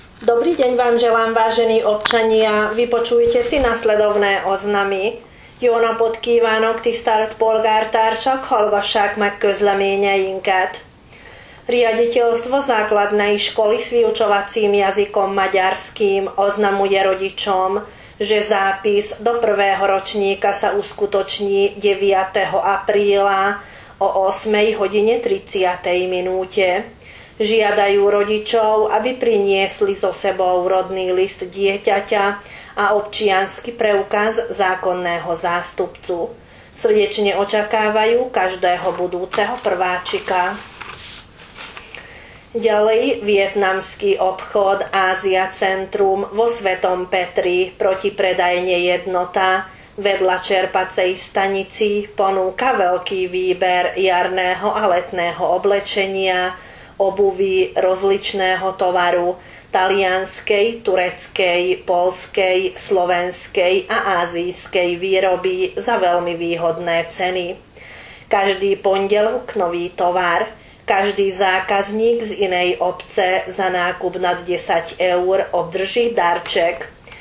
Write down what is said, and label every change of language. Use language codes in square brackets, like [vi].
[sk] Dobrý deň vám želám, vážení občania. Vypočujte si nasledovné oznamy. [hu] Jó napot kívánok, tisztelt polgártársak, hallgassák meg közleményeinket. [sk] Riaditeľstvo základnej školy s vyučovacím jazykom maďarským oznamuje rodičom, že zápis do prvého ročníka sa uskutoční 9. apríla o 8:30. Žiadajú rodičov, aby priniesli so sebou rodný list dieťaťa a občiansky preukaz zákonného zástupcu. Srdečne očakávajú každého budúceho prváčika. Ďalej vietnamský obchod Ázia Centrum vo Svetom Petri proti predajne jednota vedľa čerpacej stanici ponúka veľký výber jarného a letného oblečenia, obuvy rozličného tovaru talianskej, tureckej, poľskej, slovenskej a ázijskej výroby za veľmi výhodné ceny. Každý pondelok nový tovar, každý zákazník z inej obce za nákup nad 10 eur obdrží darček.